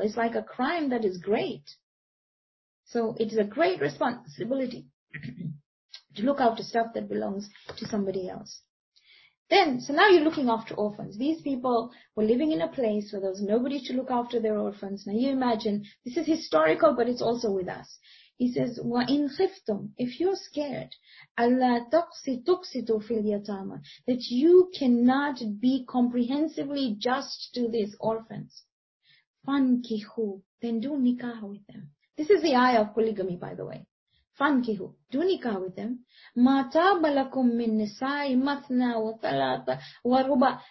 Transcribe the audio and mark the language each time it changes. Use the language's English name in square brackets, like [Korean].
[English] It's like a crime that is great. So it is a great responsibility to look after stuff that belongs to somebody else. Then, so now you're looking after orphans. These people were living in a place where there was nobody to look after their orphans. Now you imagine, this is historical, but it's also with us. He says, [Arabic] وَإِنْ خِفْتُمْ. [English] If you're scared, [Arabic] أَلَّا تُقْسِطُوا فِي الْيَتَامَ. [English] That you cannot be comprehensively just to these orphans. [Arabic] فَانْكِحُوا. [English] Then do nikah with them. This is the ayah of polygamy, by the way. [Arabic] فَانْكِحُوا. [English] Do nikah with them. [Arabic] مَا تَابَ لَكُمْ مِنْ نِسَاءِ مَثْنَى وَثَلَاثَ وَرُبَى.